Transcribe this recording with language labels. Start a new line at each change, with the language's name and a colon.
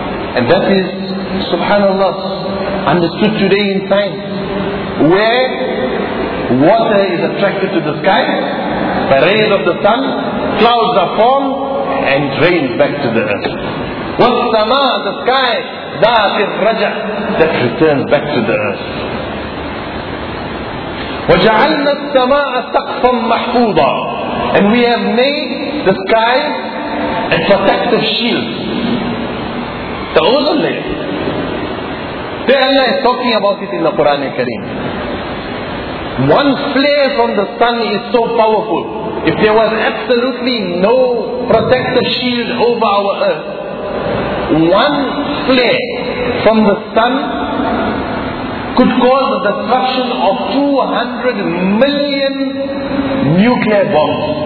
English: And that is, subhanAllah, understood today in science, where water is attracted to the sky, the rays of the sun, clouds are formed, and drains back to the earth.
Arabic: والسماء,
English: the sky,
Arabic: ذات الرجع,
English: that returns back to the earth.
Arabic: وجعلنا السماء سقفا محفوظا.
English: And we have made the sky a protective shield. The ozone layer. There Allah is talking about it in the Quran al-Kareem. One flare from the sun is so powerful. If there was absolutely no protective shield over our earth, one flare from the sun could cause the destruction of 200 million nuclear bombs.